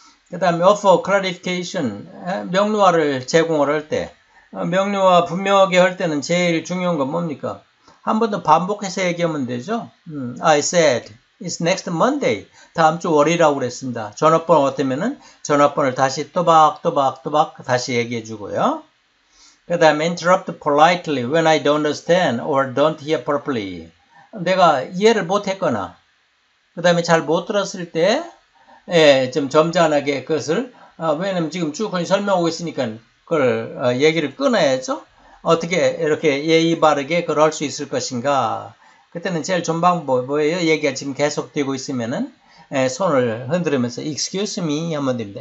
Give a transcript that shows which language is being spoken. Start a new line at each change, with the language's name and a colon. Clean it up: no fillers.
Korean: 그 다음에
English: offer clarification,
Korean: 명료화를 제공을 할 때, 명료화 분명하게 할 때는 제일 중요한 건 뭡니까? 한 번 더 반복해서 얘기하면 되죠.
English: I said, it's next Monday.
Korean: 다음 주 월요일이라고 그랬습니다. 전화번호 같으면은 전화번호를 다시 또박또박또박 다시 얘기해 주고요. 그 다음에
English: interrupt politely when I don't understand or don't hear properly.
Korean: 내가 이해를 못했거나, 그 다음에 잘 못 들었을 때, 예, 좀 점잖게 그것을, 왜냐면 지금 쭉 설명하고 있으니까 그걸 얘기를 끊어야죠. 어떻게 이렇게 예의 바르게 그걸 할 수 있을 것인가. 그때는 제일 좋은 방법이 뭐예요? 얘기가 지금 계속되고 있으면은 손을 흔들면서
English: excuse me
Korean: 하면 됩니다.